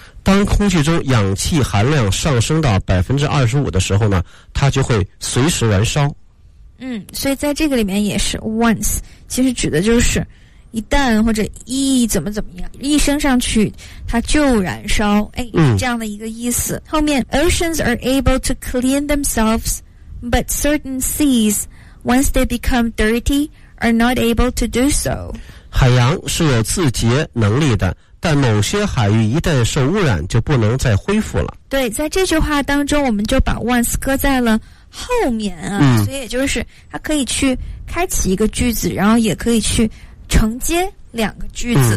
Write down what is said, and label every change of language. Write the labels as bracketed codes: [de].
[zh] 当空气中氧气含量上升到25%的时候呢，它就会随时燃烧。嗯，所以在这个里面也是 once， 其实指的就是一旦或者一怎么怎么样，一升上去它就燃烧，哎，这样的一个意思。嗯、 [en] 后面 oceans are able to clean themselves. But certain seas, once they become dirty, are not able to do so. [zh] 海洋是有自洁能力的，但某些海域一旦受污染，就不能再恢复了。对，在这句话当中，我们就把 once 搁在了后面啊，嗯、所以也就是它可以去开启一个句子，然后也可以去承接两个句子。